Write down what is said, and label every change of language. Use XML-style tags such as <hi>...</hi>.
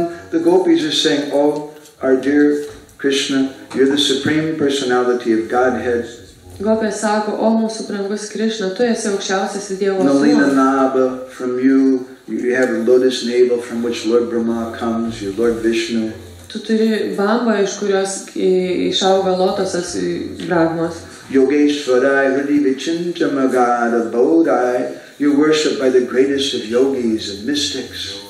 <en>The gopis are saying, oh, our dear Krishna, you're the supreme personality of Godhead.</en> <lt>Gopė sako, o mūsų brangus Krishna, tu esi aukščiausias Dievo</lt> <en>Nalina Naba, from you, you have a lotus navel from which Lord Brahma comes, your Lord Vishnu.</en> <lt>Tu turi bambą, iš kurios išauga lotosas Brahmas.</lt> <sa>Yogeshwarai, hridi vichintama gada bodhai,</sa> <en>you're worshipped by the greatest of yogis and mystics.</en>